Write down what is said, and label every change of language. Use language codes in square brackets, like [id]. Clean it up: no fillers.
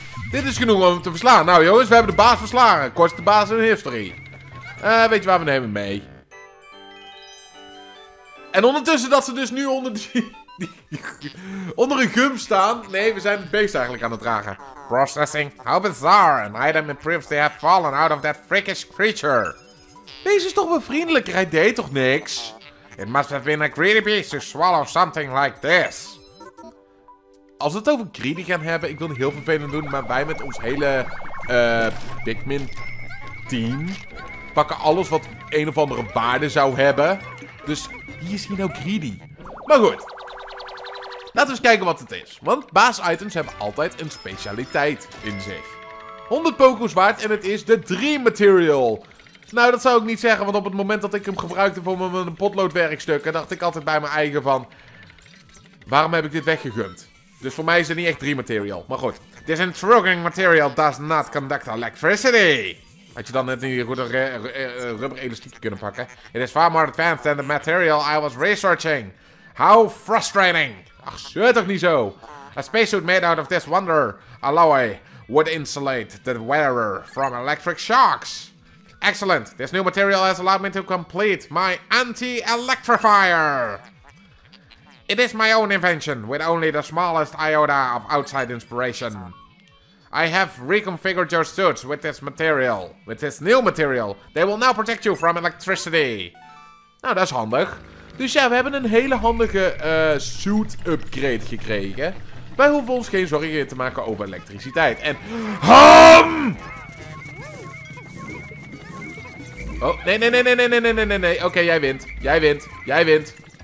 [nl] Dit is genoeg om hem te verslaan. Nou jongens, we hebben de baas verslagen. Kortste de baas in history. Weet je waar, we nemen hem mee. En ondertussen dat ze dus nu onder die... onder een gum staan. Nee, we zijn het beest eigenlijk aan het dragen. [en] Processing. How bizarre. An item proves they have fallen out of that freakish creature. [nl] Deze is toch wel vriendelijker. Hij deed toch niks? [en] It must have been a greedy beast to swallow something like this. [nl] Als we het over greedy gaan hebben, ik wil het heel vervelend doen, maar wij met ons hele Pikmin team pakken alles wat een of andere waarde zou hebben. Dus wie is hier nou greedy? Maar goed. Laten we eens kijken wat het is. Want baas-items hebben altijd een specialiteit in zich. 100 poko's waard en het is de Dream Material. Nou, dat zou ik niet zeggen, want op het moment dat ik hem gebruikte voor mijn potloodwerkstukken, dacht ik altijd bij mijn eigen van... Waarom heb ik dit weggegumd? Dus voor mij is het niet echt Dream Material. Maar goed. [en] This intruding material does not conduct electricity. [nl] Had je dan net niet een goede rubber elastiek kunnen pakken. [en] It is far more advanced than the material I was researching. How frustrating. [nl] Ach, zeur toch niet zo. [en] A spacesuit made out of this wonder alloy would insulate the wearer from electric shocks. Excellent. This new material has allowed me to complete my anti-electrifier. It is my own invention with only the smallest iota of outside inspiration. I have reconfigured your suits with this material. With this new material. They will now protect you from electricity. [nl] Nou, dat is handig. Dus ja, we hebben een hele handige suit upgrade gekregen. Wij hoeven ons geen zorgen te maken over elektriciteit. En... HAM! Oh, nee. Oké, jij wint.